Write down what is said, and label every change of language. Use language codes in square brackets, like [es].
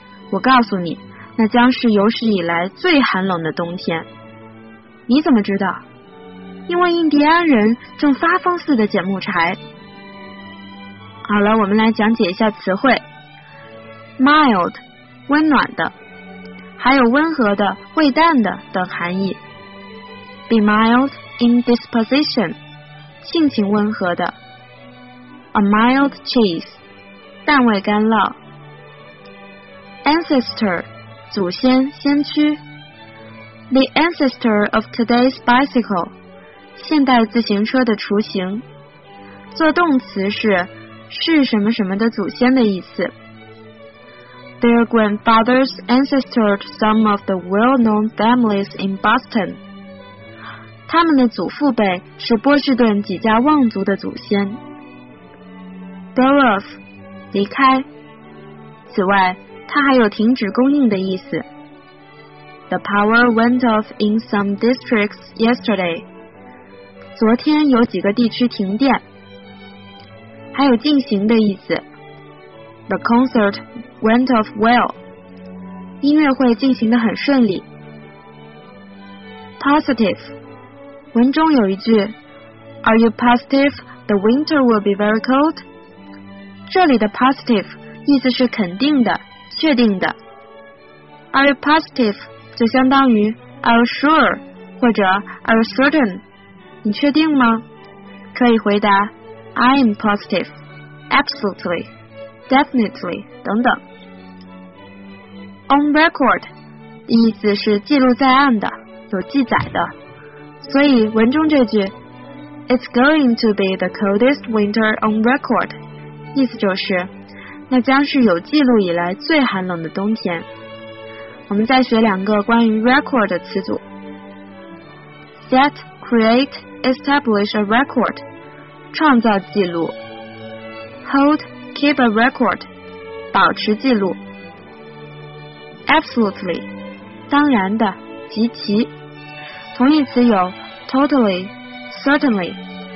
[zh] 我告诉你，那将是有史以来最寒冷的冬天。你怎么知道？因为印第安人正发疯似的捡木柴。好了，我们来讲解一下词汇 mild 温暖的，还有温和的、味淡的等含义。 [en] be mild in disposition [zh] 性情温和的。 [en] a mild cheese [zh] 淡味干酪。 ancestor 祖先、先驱。 [en] the ancestor of today's bicycle [zh] 现代自行车的雏形，做动词是什么什么的祖先的意思。 [en] Their grandfathers ancestored some of the well-known families in Boston. [zh] 他们的祖父辈是波士顿几家望族的祖先。 [en] Go off, [zh] 离开。此外，它还有停止供应的意思。 [en] The power went off in some districts yesterday. [zh] 昨天有几个地区停电，还有进行的意思。 [en] The concert went off well. [zh] 音乐会进行得很顺利。Positive. 文中有一句 [en] Are you positive the winter will be very cold? [zh] 这里的 positive 意思是肯定的、确定的。 [en] Are you positive [zh] 就相当于 [en] Are you sure [zh] 或者 [en] Are you certain? [zh] 你确定吗？可以回答 [en] I am positive, absolutely, definitely, [zh] 等等。 On record 意思是记录在案的、有记载的，所以文中这句 [en] It's going to be the coldest winter on record [zh] 意思就是那将是有记录以来最寒冷的冬天。我们再学两个关于 record 的词组。 [en] Set, createestablish a record [zh] 创造记录 [en] hold, keep a record [zh] 保持记录 [en] absolutely [zh] 当然的、极其同义词有 [en] totally, certainly